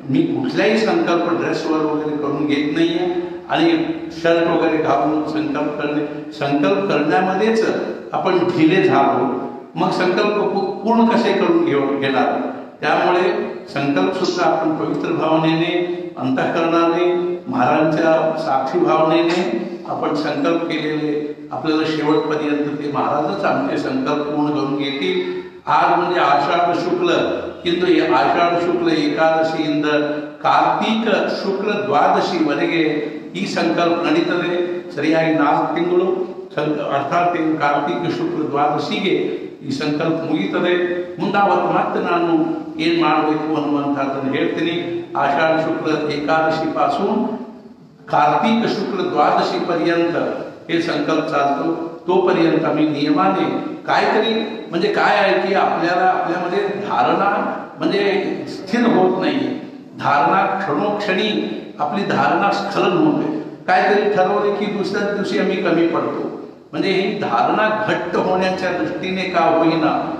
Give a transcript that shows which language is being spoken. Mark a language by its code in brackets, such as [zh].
[mr] मी कुठल्याही संकल्प ड्रेसवर वगैरे करून घेत नाही आहे आणि शर्ट वगैरे घालून संकल्प करणे, संकल्प करण्यामध्येच आपण ढिले झालो मग संकल्प पूर्ण कसे करून घेणार. त्यामुळे संकल्पसुद्धा आपण पवित्र भावनेने अंतःकरणाने महाराजांच्या साक्षी भावनेने आपण संकल्प केलेले आपल्याला शेवटपर्यंत ते महाराजच आमचे संकल्प पूर्ण करून घेतील. आज म्हणजे आषाढ शुक्ल, [kn] ಇಂದು ಆಷಾಢ ಶುಕ್ಲ ಏಕಾದಶಿಯಿಂದ ಕಾರ್ತೀಕ ಶುಕ್ಲ ದ್ವಾದಶಿವರೆಗೆ ಈ ಸಂಕಲ್ಪ ನಡೀತದೆ. ಸರಿಯಾಗಿ 4 ತಿಂಗಳು ಅರ್ಥಾತ್ ಕಾರ್ತೀಕ ಶುಕ್ಲ ದ್ವಾದಶಿಗೆ ಈ ಸಂಕಲ್ಪ ಮುಗೀತದೆ. ಮುಂದಾವತ್ತು ಮತ್ತೆ ನಾನು ಏನು ಮಾಡಬೇಕು ಅನ್ನುವಂಥದ್ದನ್ನು ಹೇಳ್ತೀನಿ. ಆಷಾಢ ಶುಕ್ಲ ಏಕಾದಶಿ ಪಾಸು [mr] कार्तिक शुक्ल द्वादशी पर्यंत हे संकल्प चालतो, तोपर्यंत आम्ही नियमाने काय तरी म्हणजे काय आहे की आपल्याला आपल्यामध्ये धारणा म्हणजे स्थिर होत नाही, धारणा क्षणोक्षणी आपली धारणा स्खलन होते, काहीतरी ठरवले की दुसऱ्या दिवशी आम्ही कमी पडतो, म्हणजे ही धारणा घट्ट होण्याच्या दृष्टीने का होईना,